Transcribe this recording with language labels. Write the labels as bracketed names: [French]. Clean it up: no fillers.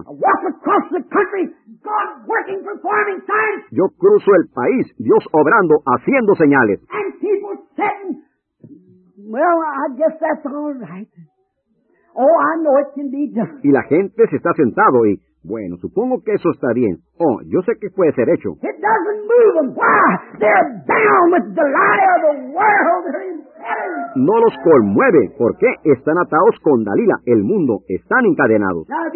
[English] I walk across the country, God working, performing signs. [Spanish] Yo cruzo el país, Dios obrando, haciendo señales. [English] And people sitting. Well, I guess that's all right. Oh, I know it can be done. [Spanish] Y la gente se está sentado y, bueno, supongo que eso está bien. Oh, yo sé que puede ser hecho. [English] It doesn't move them. Why? They're bound with the lie of the world. [Spanish] No los conmueve. ¿Por qué? Están atados con Dalila, el mundo. Están encadenados.